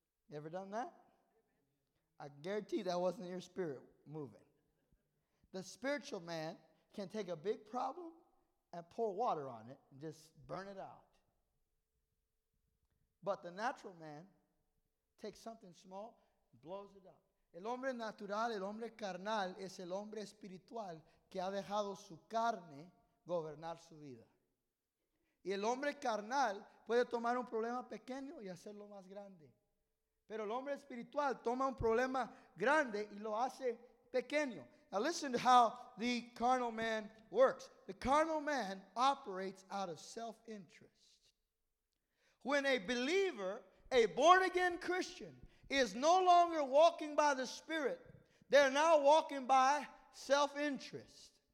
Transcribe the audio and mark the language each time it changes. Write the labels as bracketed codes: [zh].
[en] You ever done that? I guarantee that wasn't your spirit moving. The spiritual man can take a big problem and pour water on it and just burn it out. But the natural man takes something small, blows it up. [es] El hombre natural, el hombre carnal, es el hombre espiritual que ha dejado su carne gobernar su vida. Y el hombre carnal puede tomar un problema pequeño y hacerlo más grande. Pero el hombre espiritual toma un problema grande y lo hace pequeño. [en] Now listen to how the carnal man works. The carnal man operates out of self-interest. When a believer, a born-again Christian, is no longer walking by the Spirit, they're now walking by self-interest.